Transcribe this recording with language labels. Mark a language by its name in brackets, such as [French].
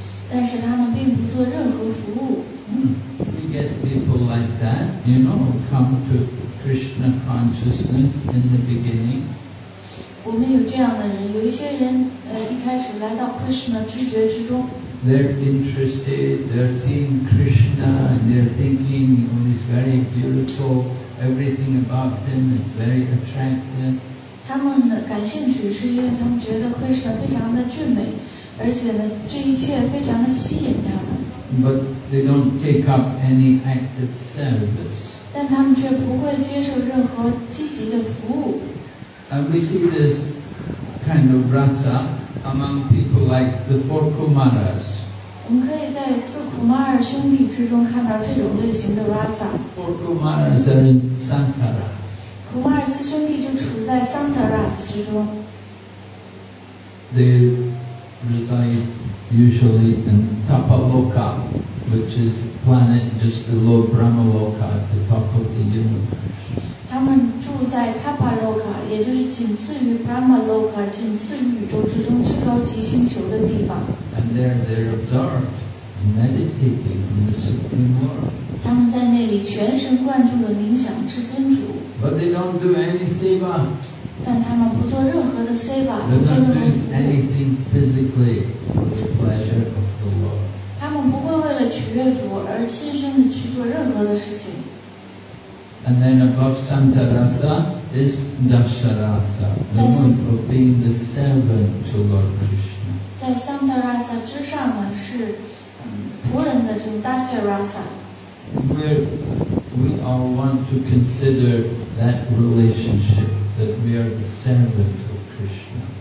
[Chinese] 但是他们并不做任何服务。 [English] We get people like that, you know, come to Krishna consciousness in the beginning. [Chinese] 我们有这样的人，有一些人一开始来到 Krishna 知觉之中。 [English] They're interested, they're seeing Krishna, and they're thinking, you know, he's very beautiful, everything about him is very attractive. [Chinese] 他们感兴趣是因为他们觉得 Krishna 非常的俊美，而且呢，这一切非常的吸引他们。 [English] But they don't take up any active service. [Chinese] 但他们却不会接受任何积极的服务。 [English] And we see this kind of rasa among people like the four Kumaras. [Chinese] 我们可以在四库玛尔兄弟之中看到这种类型的 rasa. [English] Four Kumaras are in Santara. [Chinese] 库玛尔四兄弟就处在 Santara 之中。 [English] They reside usually in Tapaloka, which is the planet just below Brahmaloka, at the top of the universe. [Chinese] 他们住在 Tapaloka， 也就是仅次于 Brahmaloka， 仅次于宇宙之中最高级星球的地方。 [English] And there they're absorbed, meditating on the Supreme Lord. [Chinese] 他们在那里全神贯注地冥想至尊主。 [English] But they don't do any seva. [Chinese] 但他们不做任何的 seva， 不做任何服务。 [English] They don't do anything physically for the pleasure of the Lord. [Chinese] 他们不会为了取悦主而亲身地去做任何的事情。 [English] And then above Santa Rasa is Dasarasa, the one for being the servant to Lord Krishna. [Chinese] 在 Santa Rasa 之上呢是仆人的这种 Dasarasa. [English] We all want to consider that relationship that we are the servant of Krishna.